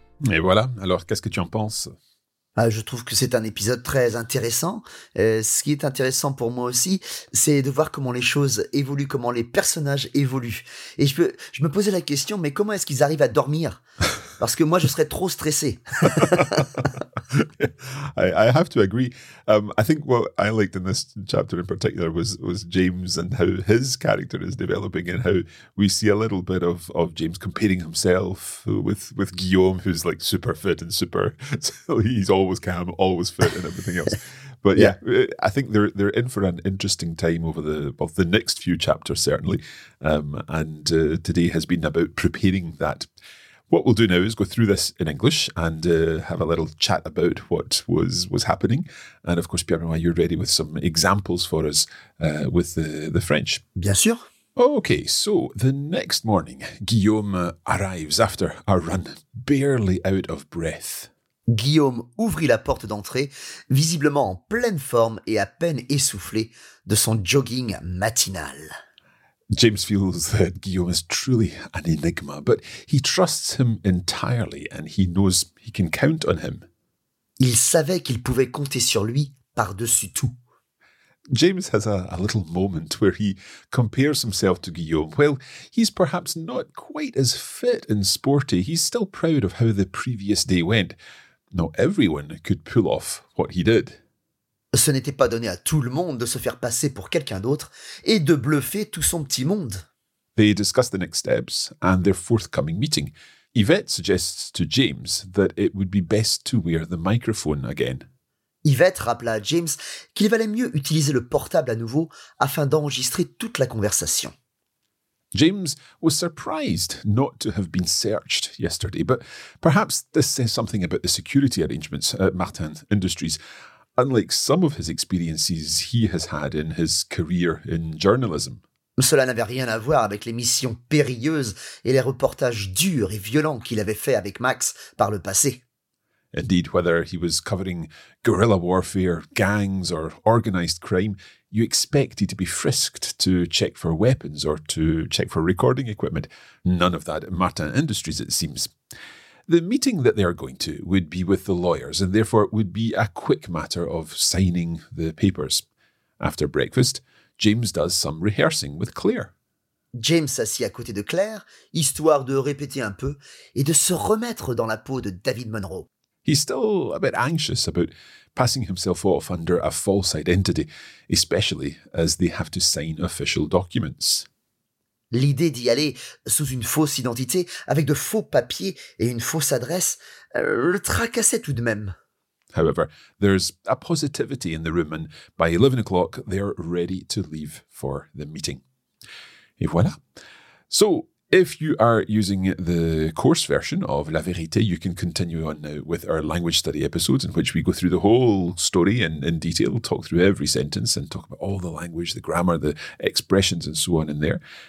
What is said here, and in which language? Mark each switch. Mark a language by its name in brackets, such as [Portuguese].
[French] Et voilà, alors qu'est-ce que tu en penses ? Je trouve que c'est un épisode très intéressant. Ce qui est intéressant pour moi aussi, c'est de voir comment les choses évoluent, comment les personnages évoluent. Et je me posais la question, mais comment est-ce qu'ils arrivent à dormir ? Parce que moi, je serais trop stressé. [English] I have to agree. I think what I liked in this chapter in particular was James and how his character is developing and how we see a little bit of James comparing himself with Guillaume, who's like super fit and super, he's always calm, always fit and everything else. But yeah, I think they're in for an interesting time over the next few chapters, certainly. And today has been about preparing that. What we'll do now is go through this in English and have a little chat about what was happening. And of course, Pierre-Benoît, you're ready with some examples for us with the French. [French] Bien sûr. [English] Okay, so the next morning, Guillaume arrives after a run, barely out of breath. [French] Guillaume ouvrit la porte d'entrée, visiblement en pleine forme et à peine essoufflé de son jogging matinal. [English] James feels that Guillaume is truly an enigma, but he trusts him entirely and he knows he can count on him. [French] Il savait qu'il pouvait compter sur lui par-dessus tout. [English] James has a little moment where he compares himself to Guillaume. Well, he's perhaps not quite as fit and sporty. He's still proud of how the previous day went. Not everyone could pull off what he did. [French] Ce n'était pas donné à tout le monde de se faire passer pour quelqu'un d'autre et de bluffer tout son petit monde. [English] They discuss the next steps and their forthcoming meeting. Yvette suggests to James that it would be best to wear the microphone again. [French] Yvette rappela à James qu'il valait mieux utiliser le portable à nouveau afin d'enregistrer toute la conversation. [English] James was surprised not to have been searched yesterday, but perhaps this says something about the security arrangements at Martin Industries. Unlike some of his experiences he has had in his career in journalism. [French] Cela n'avait rien à voir avec les missions périlleuses et les reportages durs et violents qu'il avait fait avec Max par le passé. [English] Indeed, whether he was covering guerrilla warfare, gangs or organized crime, you expected to be frisked to check for weapons or to check for recording equipment. None of that at Martin Industries, it seems. The meeting that they are going to would be with the lawyers and therefore it would be a quick matter of signing the papers. After breakfast, James does some rehearsing with Claire. [French] James s'assit à côté de Claire, histoire de répéter un peu et de se remettre dans la peau de David Monroe. [English] He's still a bit anxious about passing himself off under a false identity, especially as they have to sign official documents. [French] L'idée d'y aller sous une fausse identité, avec de faux papiers et une fausse adresse, le tracassait tout de même. [English] However, there's a positivity in the room and by 11 o'clock, they're ready to leave for the meeting. [French] Et voilà. [English] So, if you are using the course version of La Vérité, you can continue on now with our language study episodes in which we go through the whole story in detail, talk through every sentence and talk about all the language, the grammar, the expressions and so on in there.